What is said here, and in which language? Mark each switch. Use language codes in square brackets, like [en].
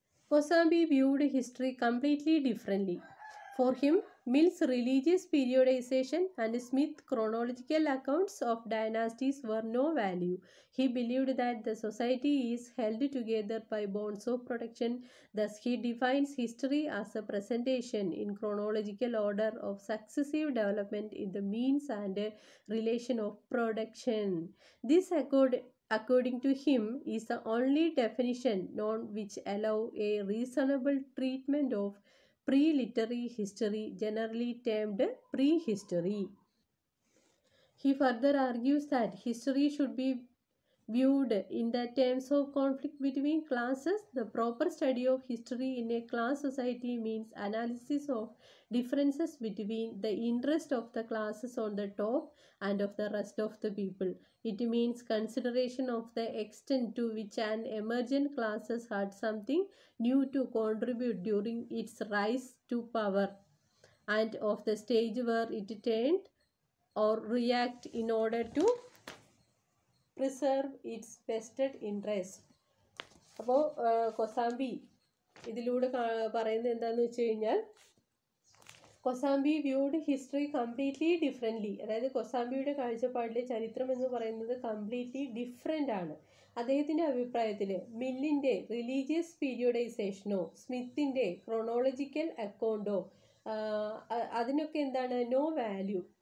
[en] Kosambi viewed history completely differently. For him Mill's religious periodization and Smith chronological accounts of dynasties were no value. He believed that the society is held together by bonds of protection. Thus he defines history as a presentation in chronological order of successive development in the means and relation of production. This according to him is the only definition known which allow a reasonable treatment of pre-literary history, generally termed pre-history. He further argues that history should be viewed in the terms of conflict between classes. The proper study of history in a class society means analysis of differences between the interest of the classes on the top and of the rest of the people. It means consideration of the extent to which an emergent classes had something new to contribute during its rise to power and of the stage where it turned or react in order to preserve its vested interest. [ml] അപ്പോൾ കൊസാംബി ഇതിലൂടെ പറയുന്നത് എന്താണെന്ന് വെച്ച് കഴിഞ്ഞാൽ, [en] Kosambi viewed history completely differently. [ml] അതായത് കൊസാംബിയുടെ കാഴ്ചപ്പാടിലെ ചരിത്രം എന്ന് പറയുന്നത് കംപ്ലീറ്റ്ലി ഡിഫറെൻ്റ് ആണ്. അദ്ദേഹത്തിൻ്റെ അഭിപ്രായത്തിൽ മില്ലിൻ്റെ റിലീജിയസ് പീരിയോഡൈസേഷനോ സ്മിത്തിൻ്റെ ക്രോണോളജിക്കൽ അക്കൗണ്ടോ അതിനൊക്കെ എന്താണ് നോ വാല്യൂ.